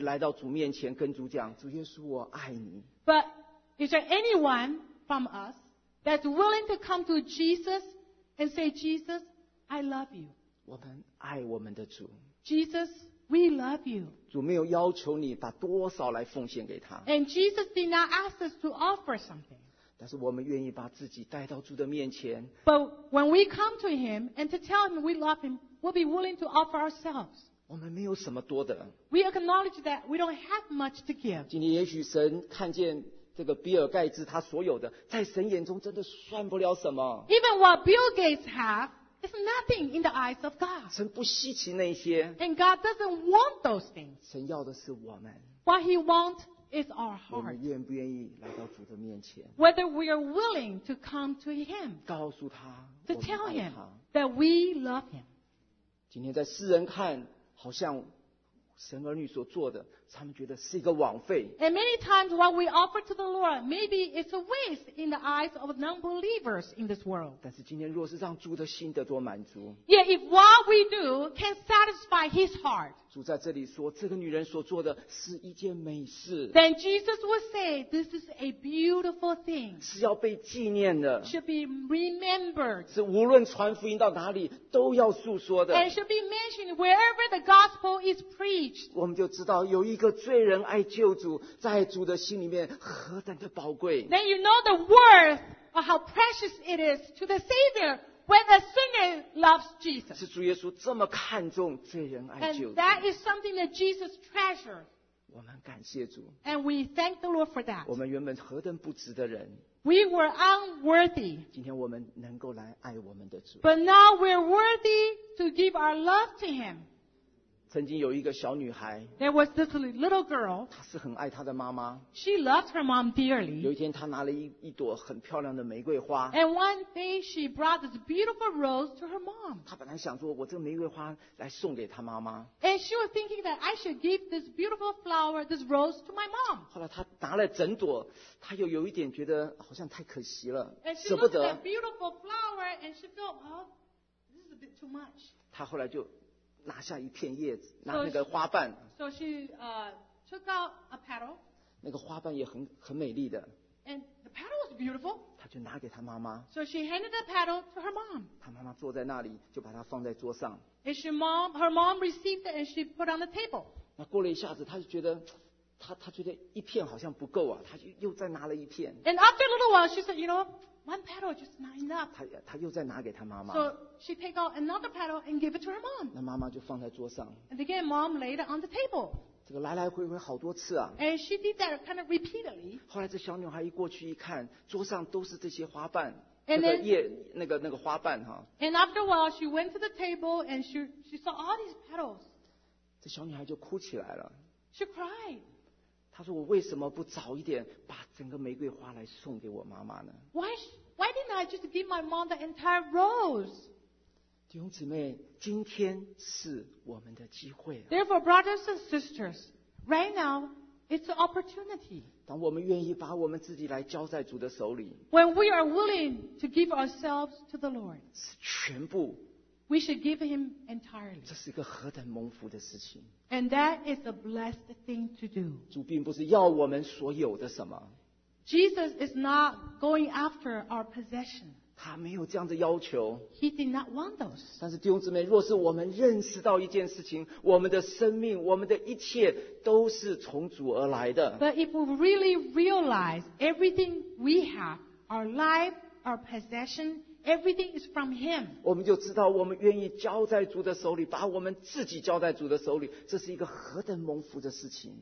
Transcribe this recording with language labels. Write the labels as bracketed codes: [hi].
[zh] 今天我们有没有人愿意来到主面前跟主讲, 主耶稣我爱你。 [en] But is there anyone from us that's willing to come to Jesus and say, Jesus, I love you. [zh] 我们爱我们的主。 [en] Jesus, we love you. [zh] 主没有要求你把多少来奉献给他。 [en] And Jesus did not ask us to offer something. [zh] 但是我们愿意把自己带到主的面前。 [en] But when we come to him and to tell him we love him, we'll be willing to offer ourselves. [zh] 我们没有什么多的。 [en] We acknowledge that we don't have much to give. [zh] 今天也许神看见 这个比尔盖茨他所有的在神眼中真的算不了什么。 [en] Even what Bill Gates have is nothing in the eyes of God. [zh] 神不稀奇那些。 [en] And God doesn't want those things. [zh] 神要的是我们。 [en] What he wants is our heart. [zh] 我们愿不愿意来到主的面前。 [en] Whether we are willing to come to him. [zh] 告诉他。 [en] To tell him that we love him. [zh] 今天在世人看好像神儿女所做的他们觉得是一个枉费。 [en] And many times what we offer to the Lord maybe it's a waste in the eyes of non-believers in this world. [zh] 但是今天若是让主的心得多满足， [en] Yet if what we do can satisfy his heart, [zh] 主在这里说这个女人所做的是一件美事， [en] Then Jesus would say this is a beautiful thing, [zh] 是要被纪念的， [en] Should be remembered, [zh] 是无论传福音到哪里都要述说的， [en] And should be mentioned wherever the gospel is preached. [zh] 我们就知道有一个罪人爱救主，在主的心里面何等的宝贵。 [en] Then you know the worth of how precious it is to the Savior when a sinner loves Jesus. [zh] 是主耶稣这么看重罪人爱救主。 [en] And that is something that Jesus treasured. [zh] 我们感谢主。 [en] And we thank the Lord for that. [zh] 我们原本何等不值的人。 [en] We were unworthy. [zh] 今天我们能够来爱我们的主。 [en] But now we're worthy to give our love to Him. [zh] 曾经有一个小女孩， [en] There was this little girl, [zh] 她是很爱她的妈妈。 [en] She loved her mom dearly. [zh] 有一天她拿了 一朵很漂亮的玫瑰花。 [en] And one day she brought this beautiful rose to her mom. [zh] 她本来想说我这个玫瑰花来送给她妈妈。 [en] And she was thinking that I should give this beautiful flower, this rose to my mom. [zh] 后来她拿了整朵，她又有一点觉得好像太可惜了，舍不得。 [en] And she looked at that beautiful flower and she felt, oh, this is a bit too much. [zh] 她后来就拿下一片叶子，拿那个花瓣。 [en] So she took out a petal. [zh] 那个花瓣也很美丽的。 [en] And the petal was beautiful. [zh] 她就拿给她妈妈。 [en] So she handed the petal to her mom. [zh] 她妈妈坐在那里，就把它放在桌上。 [en] And her mom received it and she put on the table. [zh] 那过了一下子，她就觉得，她觉得一片好像不够啊，她又再拿了一片。 [en] And after a little while, she said, you know, one petal just not enough. [zh] 她又再拿给她妈妈。 [en] So she take out another petal and give it to her mom. [zh] 那妈妈就放在桌上。 [en] And again, mom laid it on the table. [zh] 这个来来回回好多次啊。 [en] And she did that kind of repeatedly. [zh] 后来这小女孩一过去一看，桌上都是这些花瓣，那个花瓣哈。 [en] And after a while, she went to the table and she saw all these petals. [zh] 这小女孩就哭起来了。 [en] She cried. [zh] 她说：“我为什么不早一点把整个玫瑰花来送给我妈妈呢 [en] ？”Why didn't I just give my mom the entire rose? [zh] 弟兄姊妹，今天是我们的机会。 [en] Therefore, brothers and sisters, right now, it's an opportunity. [zh] 当我们愿意把我们自己来交在主的手里， [en] When we are willing to give ourselves to the Lord, [zh] 是全部， [en] We should give Him entirely. [zh] 这是一个何等蒙福的事情。 [en] And that is a blessed thing to do. [zh] 主并不是要我们所有的什么。 [en] Jesus is not going after our possessions. [zh] 他没有这样的要求。 [en] He did not want those. [zh] 但是弟兄姊妹，若是我们认识到一件事情，我们的生命，我们的一切都是从主而来的。 [en] But if we really realize everything we have, our life, our possession, everything is from Him. [zh] 我们就知道，我们愿意交在主的手里，把我们自己交在主的手里，这是一个何等蒙福的事情。